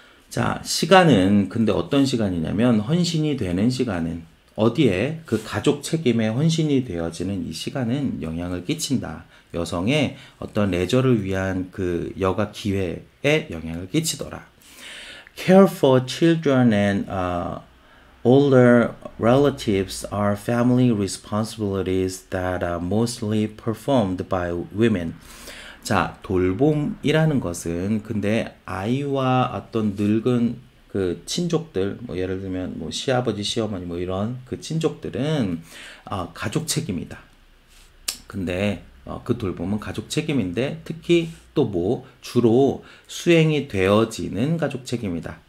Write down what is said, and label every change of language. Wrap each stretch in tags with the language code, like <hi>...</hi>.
<ko>자, 시간은 근데 어떤 시간이냐면 헌신이 되는 시간은 어디에 그 가족 책임에 헌신이 되어지는 이 시간은 영향을 끼친다. 여성의 어떤 레저를 위한 그 여가 기회에 영향을 끼치더라.</ko> <en>Care for children and older relatives are family responsibilities that are mostly performed by women.</en> <ko>자, 돌봄이라는 것은 근데 아이와 어떤 늙은 그 친족들, 뭐 예를 들면 뭐 시아버지, 시어머니 뭐 이런 그 친족들은 가족 책임이다. 근데 그 돌봄은 가족 책임인데 특히 또뭐 주로 수행이 되어지는 가족 책임이다.</ko>